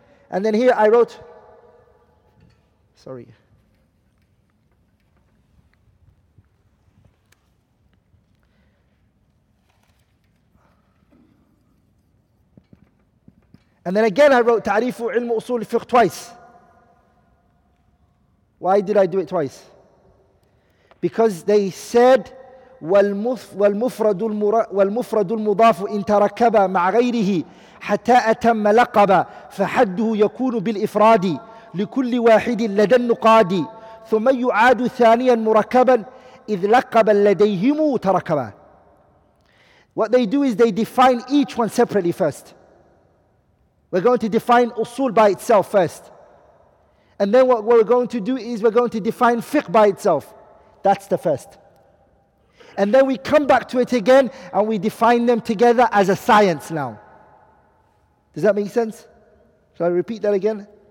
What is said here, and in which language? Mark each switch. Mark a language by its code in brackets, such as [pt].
[en] And then here I wrote, and then again I wrote [ar] ta'rifu ilmu usul al-fiqh [en] twice. Why did I do it twice? Because they said [ar] والمفرد المضاف إن تركب مع غيره حتى أتم لقبا فحده يكون بالإفراد لكل واحد لدى النقاد ثم يعاد ثانيا مركبا إذ لقبا لديهم تركبا. [en] What they do is they define each one separately first. We're going to define usul by itself first. And then what we're going to do is we're going to define fiqh by itself. That's the first. And then we come back to it again and we define them together as a science now. Does that make sense? Shall I repeat that again?